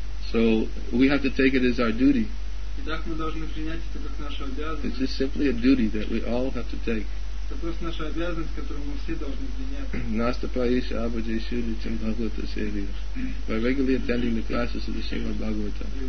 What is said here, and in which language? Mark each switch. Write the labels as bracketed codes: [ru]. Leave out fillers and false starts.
[en] So we have to take it as our duty. [ru] Итак, мы должны принять это как наша обязанность. [en] It's just simply a duty that we all have to take. [sa] Nasta Prayesha Abhaja Shuri Tim Bhagavata Sevya. [en] By regularly attending the classes of the Srimad Bhagavata.